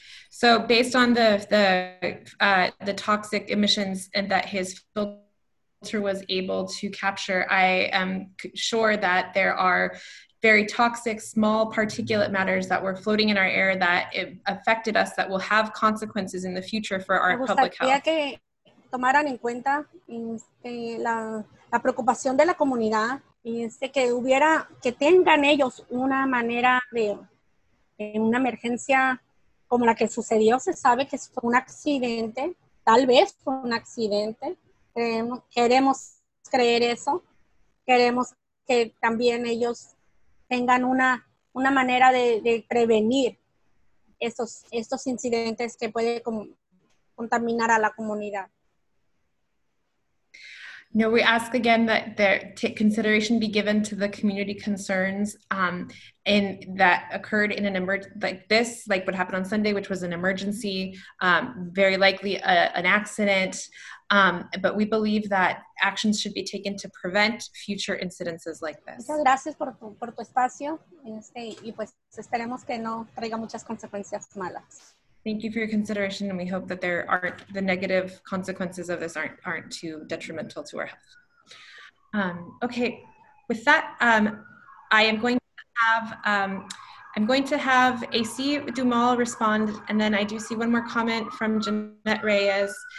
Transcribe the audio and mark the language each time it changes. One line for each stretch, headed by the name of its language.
English: So based on the toxic emissions and that his filter was able to capture, I am sure that there are very toxic, small particulate matters that were floating in our air that it affected us that will have consequences in the future for our public health.
Spanish: Que tomaran en cuenta la preocupación de la comunidad y que tengan ellos una manera de una emergencia como la que sucedió. Se sabe que fue un accidente, tal vez fue un accidente. Queremos creer eso. Queremos que también ellos tengan una manera de prevenir estos incidentes que puede contaminar a la comunidad.
English: No, we ask again that take consideration be given to the community concerns and that occurred in an like what happened on Sunday, which was an emergency, very likely an accident. But we believe that actions should be taken to prevent future incidences like this.
Spanish: Muchas gracias por tu espacio y pues esperemos que no traiga muchas consecuencias malas.
English: Thank you for your consideration, and we hope that there aren't the negative consequences of this aren't too detrimental to our health. Okay, with that, I'm going to have AC Dumal respond, and then I do see one more comment from Jeanette Reyes.